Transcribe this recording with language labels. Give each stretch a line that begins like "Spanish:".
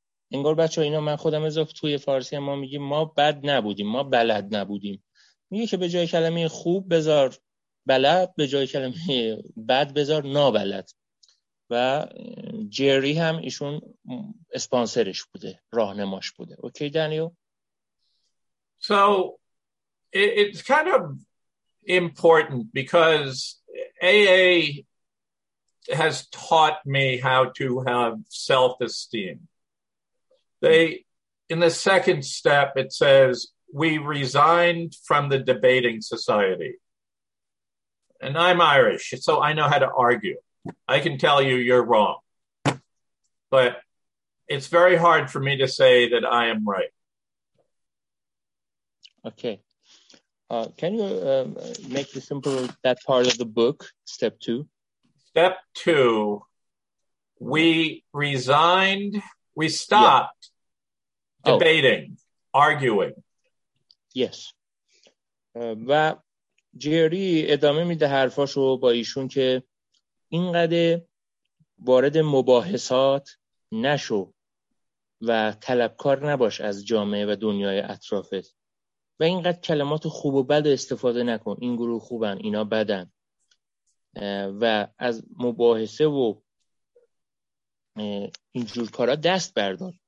Persian: انگار بچه ها اینا من خودم اضافه توی فارسی ما میگیم ما بد نبودیم، ما بلد نبودیم. میگه که به جای کلمه خوب بذار بلد، به جای کلمه بد بذار نابلد. و جری هم ایشون اسپانسرش بوده، راهنماش بوده.
English: Okay Daniel? So it's kind of important because AA has taught me how to have self-esteem. They, in the second step, it says, we resigned from the debating society. And I'm Irish, so I know how to argue. I can tell you you're wrong. But it's very hard for me to say that I am right. Okay. Can you make it simple, that part of the book, step two? Step two, we resigned, we stopped. Yeah. Debating, arguing. Yes.
Persian: و جری ادامه میده حرفاشو با ایشون که اینقدر وارد مباحثات نشو و طلبکار نباش از جامعه و دنیای اطرافت و اینقدر کلمات خوب و بد استفاده نکن، این گروه خوبن اینا بدن، و از مباحثه و اینجور کارا دست بردار.